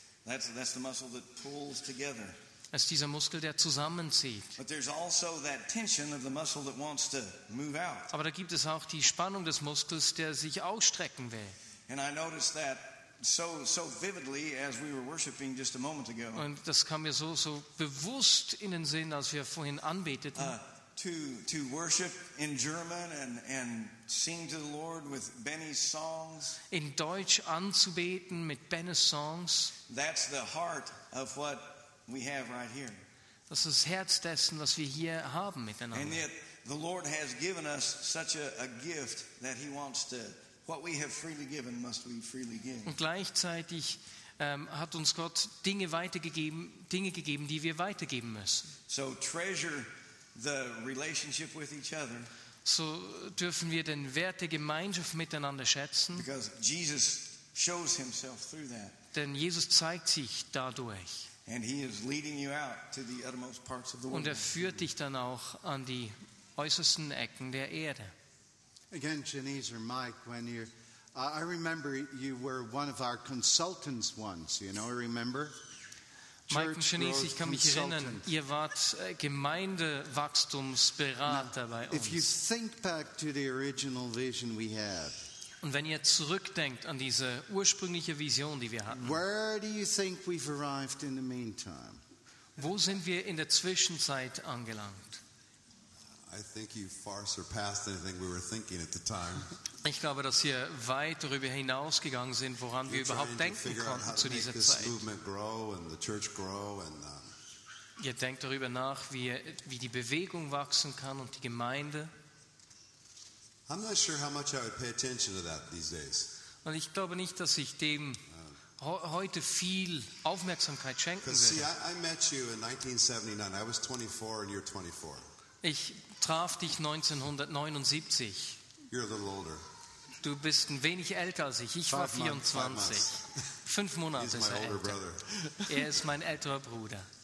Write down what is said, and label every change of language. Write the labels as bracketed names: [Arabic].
[English] That's the muscle that pulls together. [German] Es ist dieser Muskel, der zusammenzieht. [English] But there's also that tension of the muscle that wants to move out. [German] Aber da gibt es auch die Spannung des Muskels, der sich ausstrecken will. [English] And I noticed that so vividly as we were worshiping just a moment ago. [German] Und das kam mir so bewusst in den Sinn, als wir vorhin anbeteten. [English] To worship in German and sing to the Lord with Benny's songs. [German] In Deutsch anzubeten mit Benny's songs. [English] That's the heart of what we have right here. [German] Das ist das Herz dessen, was wir hier haben miteinander. [English] And yet the Lord has given us such a gift that he wants to, what we have freely given must we freely give. [German] Und gleichzeitig hat uns Gott Dinge gegeben, die wir weitergeben müssen. [English] So treasure the relationship with each other. [German] So dürfen wir den Wert der Gemeinschaft miteinander schätzen. [English] Because Jesus shows himself through that. [German] Denn Jesus zeigt sich dadurch. [English] And he is leading you out to the uttermost parts of the world. [German] Und führt dich dann auch an die äußersten Ecken der Erde. [English] Again, Janice or Mike, when you, I remember you were one of our consultants once. You know, remember? [German] Church Mike und Janice, ich kann mich erinnern. Ihr wart Gemeindewachstumsberater [English] now, [German] bei uns. [English] If you think back to the original vision we had. [German] Und wenn ihr zurückdenkt an diese ursprüngliche Vision, die wir hatten, [English] where do you think we've arrived in the meantime? [German] Wo sind wir in der Zwischenzeit angelangt? [English] I think you far surpassed anything we were thinking at the time. [German] Ich glaube, dass wir weit darüber hinausgegangen sind, woran [English] You're [German] wir überhaupt denken konnten zu dieser [English] this [German] Zeit. [English] Movement grow and the church grow and, [German] ihr denkt darüber nach, wie die Bewegung wachsen kann und die Gemeinde. [English] I'm not sure how much I would pay attention to that these days. [German] Und ich glaube nicht, dass ich dem heute viel Aufmerksamkeit schenken würde. [English] See, I met you in 1979. I was 24 and you're 24. [German] Ich traf dich 1979. [English] You're a little older. [German] Du bist ein wenig älter als ich. Ich war 24. Fünf Monate [English] He's my older [German] älter. [English] Brother. [German] Er ist mein älterer Bruder.